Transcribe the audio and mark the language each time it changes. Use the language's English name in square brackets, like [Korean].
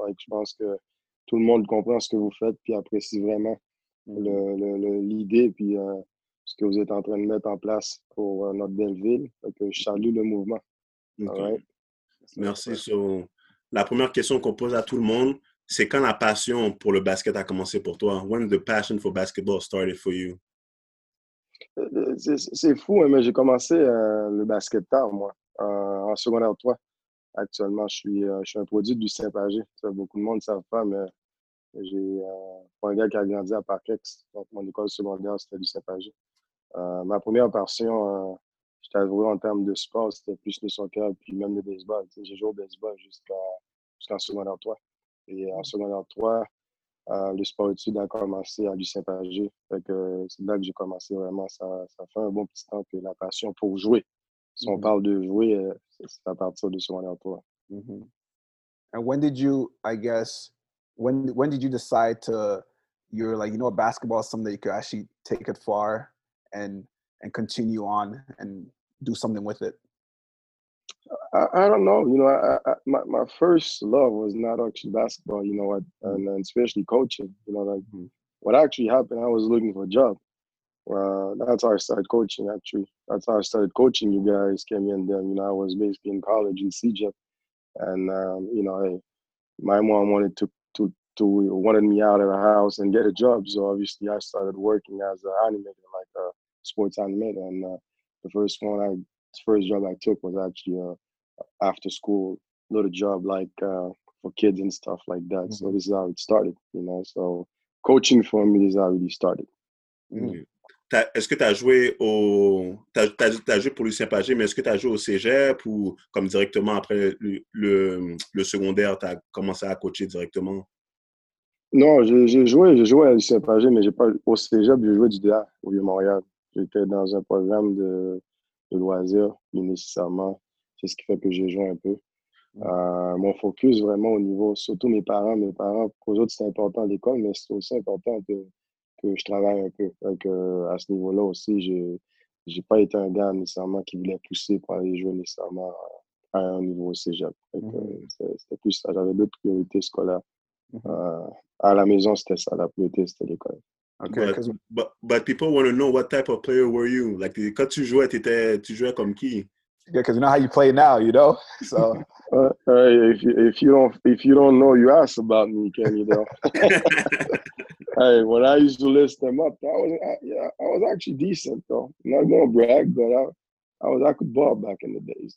[French] Like, je pense que tout le monde comprend ce que vous faites et apprécie vraiment l'idée et ce que vous êtes en train de mettre en place pour notre belle ville. Donc, je salue le mouvement. [English] Okay. Right? [French] Merci. So, la première question qu'on pose à tout le monde, c'est quand la passion pour le basket a commencé pour toi? [English] When the passion for basketball started for you? [French] C'est fou, mais j'ai commencé le basket tard, moi. En secondaire 3, actuellement, je suis un produit du Saint-Pagé. Ça, beaucoup de monde ne savent pas, mais j'ai un gars qui a grandi à Parkex. Donc, mon école secondaire, c'était du Saint-Pagé. Ma première passion, je t'avoue, en termes de sport, c'était plus le soccer, puis même le baseball. T'sais, j'ai joué au baseball jusqu'en secondaire 3. Et en secondaire 3, le sport études a commencé à du Saint-Pagé. Fait que c'est là que j'ai commencé vraiment. Ça fait un bon petit temps que la passion pour jouer. Si on parle de jouer, c'est à partir de secondaire 3. Mm-hmm. [English] And when did you, I guess, when did you decide to, you're like, you know, basketball is something that you could actually take it far and continue on and do something with it? I don't know. You know, my first love was not actually basketball, you know, and especially coaching. You know, like, what actually happened, I was looking for a job. That's how I started coaching, actually. That's how I started coaching. You guys came in then, you know, I was basically in college in CJEP. And, you know, my mom wanted to wanted me out of the house and get a job. So, obviously, I started working as an animator, like a sports animator. And the first job I took was actually after school, little job, like for kids and stuff like that. Mm-hmm. So, this is how it started, you know. So, coaching for me is how it really started. [French] Mm-hmm. Est-ce que tu as joué au. T'as joué pour le Saint-Pagé, mais est-ce que tu as joué au Cégep ou comme directement après le secondaire, tu as commencé à coacher directement? Non, j'ai joué à le Saint-Pagé, mais j'ai pas au Cégep, j'ai joué du DA au Vieux-Montréal. J'étais dans un programme de loisirs, mais nécessairement. C'est ce qui fait que j'ai joué un peu. Mon focus vraiment au niveau, surtout mes parents, pour eux autres, c'est important l'école, mais c'est aussi important que je travaille un peu. Donc, à ce niveau-là aussi, j'ai pas été un gars nécessairement qui voulait pousser pour aller jouer nécessairement à un niveau au cégep. Donc, c'était plus ça. J'avais d'autres priorités scolaires. À la maison, c'était ça. La priorité, c'était l'école. Okay. [English] But people want to know what type of player were you? [French] Like, quand tu jouais, tu jouais comme qui? [English] Yeah, because you know how you play now, you know? So if you don't know, you ask about me, can you know? Hey, when I used to list them up, I was actually decent, though. Not gonna brag, but I could ball back in the days.